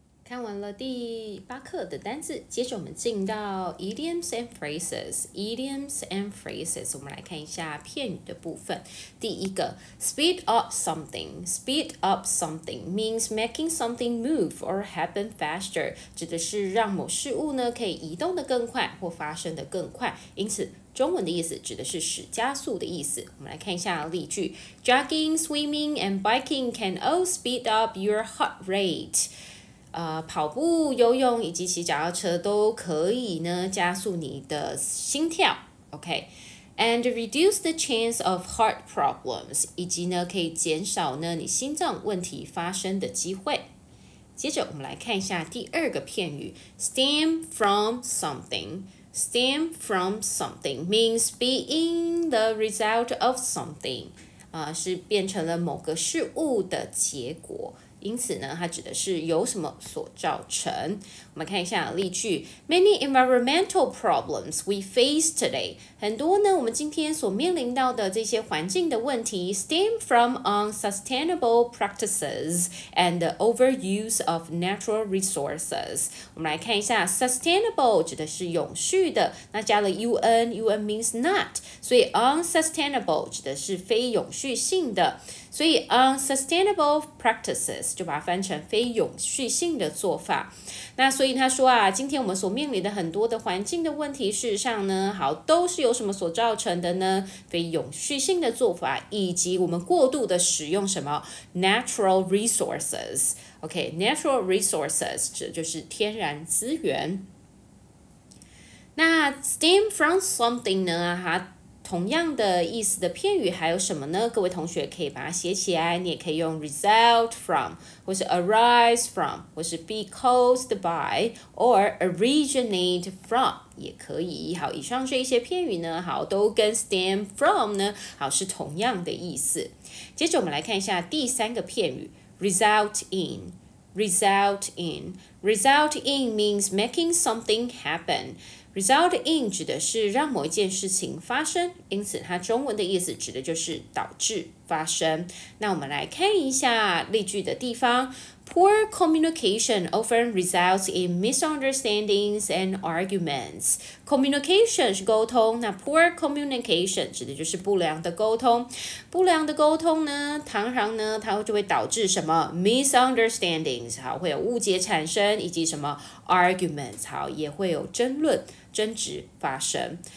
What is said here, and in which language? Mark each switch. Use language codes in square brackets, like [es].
[zh] 看完了第八课的单字，接着我们进到 [en] idioms and phrases。 [zh] idioms and phrases， 我们来看一下片语的部分。第一个 [en] ，speed up something。 speed up something means making something move or happen faster， [zh] 指的是让某事物呢可以移动的更快或发生的更快。因此，中文的意思指的是使加速的意思。我们来看一下例句 [en] ：jogging, swimming, and biking can all speed up your heart rate。 [zh] 跑步、游泳以及骑脚踏车都可以呢加速你的心跳 ，OK， [en] and reduce the chance of heart problems， [zh] 以及呢可以减少呢你心脏问题发生的机会。接着我们来看一下第二个片语 ，stem from something。 [en] stem from something means being the result of something， [zh] 是变成了某个事物的结果。因此呢，它指的是由什么所造成。我们看一下例句 [en] ：Many environmental problems we face today， [zh] 很多呢，我们今天所面临到的这些环境的问题 [en] ，stem from unsustainable practices and the overuse of natural resources。 [zh] 我们来看一下 ，sustainable 指的是永续的，那加了 un， [en] un means not， [zh] 所以 unsustainable 指的是非永续性的。所以 unsustainable practices 就把它翻成非永续性的做法。那所以他说啊，今天我们所面临的很多的环境的问题，事实上呢，好，都是由什么所造成的呢？非永续性的做法，以及我们过度的使用什么 natural resources。 OK， natural resources 指的就是天然资源。那 stem from something 呢，它同样的意思的片语还有什么呢？各位同学可以把它写起来，你也可以用 result from， 或是 arise from， 或是 be caused by， or originate from 也可以。好，以上这些片语呢，好，都跟 stem from 呢，好，是同样的意思。接着我们来看一下第三个片语 result in。 [en] result in。 result in means making something happen。 [zh] result in 指的是让某一件事情发生，因此它中文的意思指的就是导致发生。那我们来看一下例句的地方 [en] ，Poor communication often results in misunderstandings and arguments。 [zh] Communication 是沟通，那 poor communication 指的就是不良的沟通。不良的沟通呢，常常呢，它就会导致什么 misunderstandings， 好，会有误解产生，以及什么 arguments， 好，也会有争论。争执发生。